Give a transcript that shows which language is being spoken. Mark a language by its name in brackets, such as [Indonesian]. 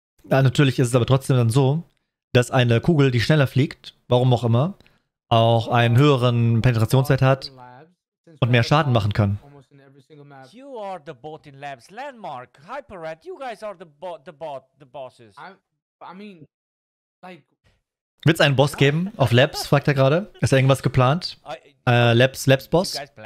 [German] Ja, natürlich ist es aber trotzdem dann so, dass eine Kugel, die schneller fliegt, warum auch immer, auch einen höheren Penetrationswert hat und mehr Schaden machen kann. [English] You are the bot in Labs, Landmark, Hyperrat, you guys are the bosses. I mean, like. [German] Wird es einen Boss geben auf Labs, fragt er gerade. Ist irgendwas geplant? Labs Boss?